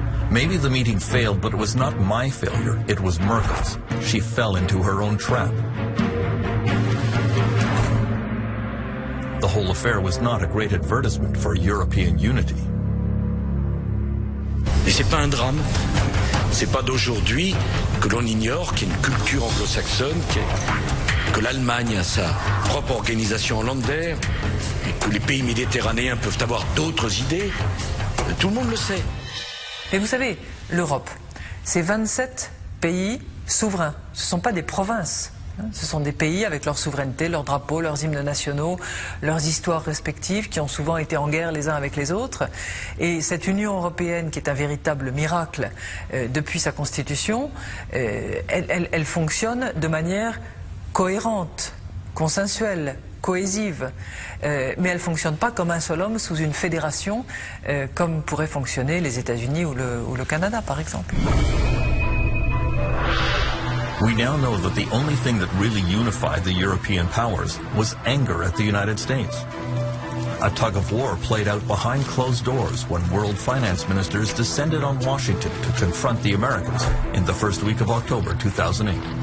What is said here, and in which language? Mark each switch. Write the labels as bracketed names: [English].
[English] Maybe the meeting failed, but it was not my failure, it was Merkel's. She fell into her own trap. The whole affair was not a great advertisement for European unity. [French] Et c'est pas un drame. C'est pas d'aujourd'hui que l'on ignore qu'il y a une culture anglo-saxonne, que l'Allemagne a sa propre organisation hollandaise, et que les pays méditerranéens peuvent avoir d'autres idées. Tout le monde le sait. Mais vous savez, l'Europe, c'est 27 pays souverains. Ce ne sont pas des provinces. Ce sont des pays avec leur souveraineté, leurs drapeaux, leurs hymnes nationaux, leurs histoires respectives qui ont souvent été en guerre les uns avec les autres. Et cette Union européenne, qui est un véritable miracle depuis sa constitution, elle fonctionne de manière cohérente, consensuelle, cohésive. Mais elle ne fonctionne pas comme un seul homme sous une fédération, comme pourraient fonctionner les États-Unis ou le Canada, par exemple. [English] We now know that the only thing that really unified the European powers was anger at the United States. A tug of war played out behind closed doors when world finance ministers descended on Washington to confront the Americans in the first week of October 2008.